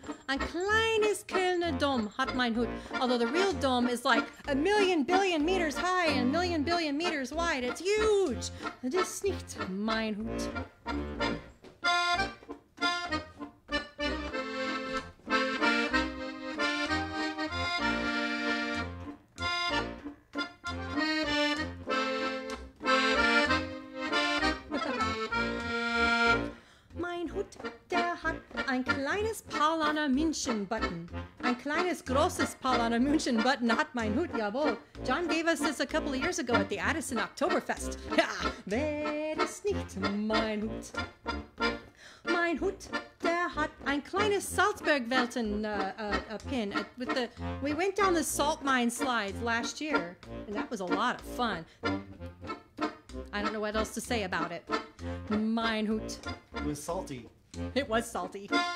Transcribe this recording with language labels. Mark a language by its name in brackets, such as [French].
[German] Ein kleines Kölner Dom hat mein Hut. [English] Although the real dome is like a million billion meters high and a million billion meters wide. It's huge. [German] Das ist nicht mein Hut. Mein Hut. Ein kleines Paulaner München-Button. Ein kleines, großes Paul an a München, [English] but not [German] mein Hut, jawohl. [English] John gave us this a couple of years ago at the Addison Oktoberfest. [German] Wer ist nicht mein Hut? Mein Hut, der hat ein kleines Salzburg-Welten a pin. [English] With the, we went down the salt mine slides last year, and that was a lot of fun. I don't know what else to say about it. [German] Mein Hut. [English] It was salty. It was salty.